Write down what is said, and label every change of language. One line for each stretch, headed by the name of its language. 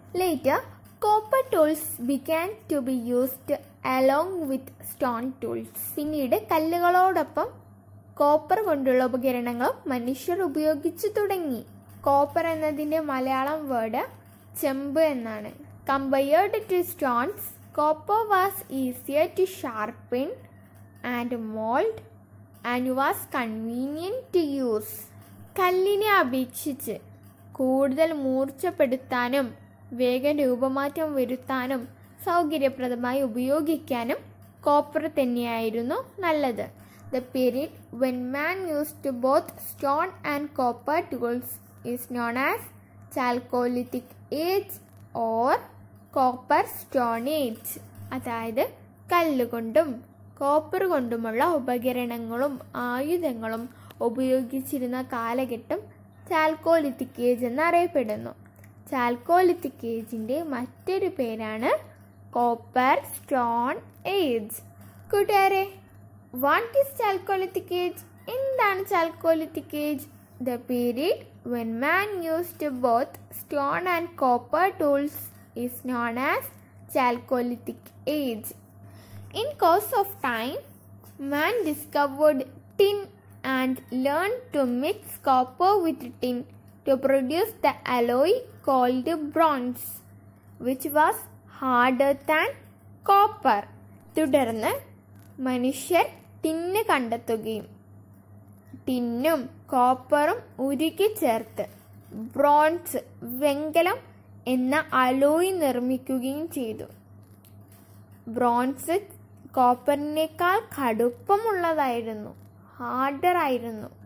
English: Later copper tools began to be used along with stone tools.
Malayalam: പിന്നീട് കല്ലുകളോടൊപ്പം copper കൊണ്ടുള്ള ഉപകരണങ്ങളും മനുഷ്യർ ഉപയോഗിച്ചു തുടങ്ങി. കോപ്പർ എന്നതിന്റെ മലയാളം വേർഡ് ചെമ്പ് എന്നാണ്.
English: Compared to stones, copper was easier to sharpen and mold and was convenient to use.
Malayalam: കല്ലിനെ അപേക്ഷിച്ച് കൂടുതൽ മൂർച്ചപ്പെടുത്താനും വേഗം രൂപമാറ്റം വരുത്താനും സൗകര്യപ്രദമായി ഉപയോഗിക്കാനും കോപ്പർ തന്നെയായിരുന്നു നല്ലത്.
English: The period when man used to both stone and copper tools is known as Chalcolithic Age or copper stone age.
Malayalam: അതായത് കല്ലുകൊണ്ടും copper കൊണ്ടുമുള്ള ഉപകരണങ്ങളും ആയുധങ്ങളും ഉപയോഗിച്ചിരുന്ന കാലഘട്ടം ചാൽക്കോലിത്തിക് ഏജ് എന്നറിയപ്പെടുന്നു. ചാൽക്കോലിത്തിക് ഏജിൻ്റെ മറ്റൊരു പേരാണ് കോപ്പർ സ്റ്റോൺ ഏജ്. കൂട്ടുകാരെ,
English: What is Chalcolithic Age?
Malayalam: എന്താണ് chalcolithic age?
English: The period when man used both stone and copper tools is known as Chalcolithic Age. In course of time, man discovered tin and learned to mix copper with tin to produce the alloy called bronze, which was harder than copper.
Malayalam: തുടർന്ന് മനുഷ്യർ tin കണ്ടെത്തുകയും ടിന്നും കോപ്പറും ഉരുക്കി ചേർത്ത് bronze വെങ്കലം എന്ന alloy നിർമ്മിക്കുകയും ചെയ്തു. Bronze കോപ്പറിനേക്കാൾ കടുപ്പമുള്ളതായിരുന്നു, harder ആയിരുന്നു.